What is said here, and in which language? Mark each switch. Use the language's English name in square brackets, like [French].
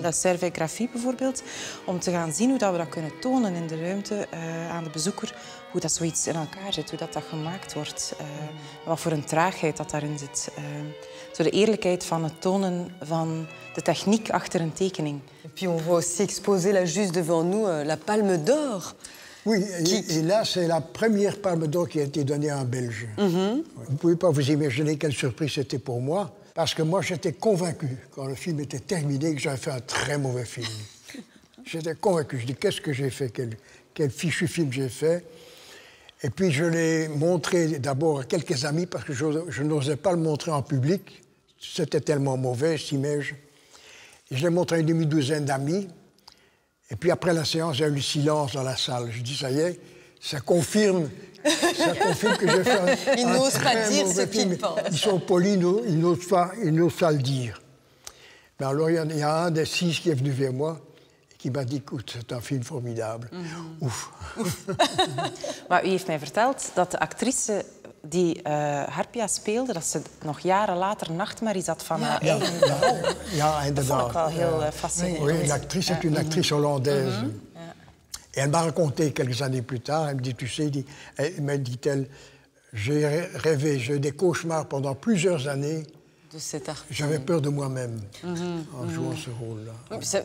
[Dutch] De servigrafie bijvoorbeeld. Om te gaan zien hoe dat we dat kunnen tonen in de ruimte aan de bezoeker. Hoe dat zoiets in elkaar zit, hoe dat gemaakt wordt. Wat voor een traagheid dat daarin zit. Zo de eerlijkheid van het tonen van de techniek achter een tekening. [French] En puis on voit aussi exposer là juste devant nous la Palme d'Or. Oui, et là c'est la première Palme d'Or qui a été donnée à un Belge. Mm-hmm. Vous pouvez pas vous imaginer quelle surprise c'était pour moi, parce que moi j'étais convaincu quand le film était terminé que j'avais fait un très mauvais film. J'étais convaincu. Je dis qu'est-ce que j'ai fait, quel fichu film j'ai fait. Et puis je l'ai montré d'abord à quelques amis parce que je n'osais pas le montrer en public. C'était tellement mauvais, cette image. Et je l'ai montré à une demi-douzaine d'amis. Et puis après la séance, il y a eu le silence dans la salle. Je dis, ça y est, ça confirme que j'ai fait un très mauvais film. Ils n'osent pas dire ce qu'ils pensent. Ils sont polis, ils n'osent pas le dire. Mais alors il y a un des 6 qui est venu vers moi. Qui m'a dit, écoute, c'est un film formidable. Mm-hmm. Ouf. [Dutch] Maar u heeft mij verteld dat de actrice die Harpia speelde, dat ze nog jaren later nachtmerries had van haar eigen rol. Ja, inderdaad. Dat vond ik wel heel fascinerend. [French] Oui, l'actrice est une actrice hollandaise. Mm-hmm. Et elle m'a raconté quelques années plus tard, elle me dit, tu sais, elle me dit, j'ai rêvé, j'ai eu des cauchemars pendant plusieurs années. De cette artiste. J'avais peur de moi-même en jouant ce rôle-là.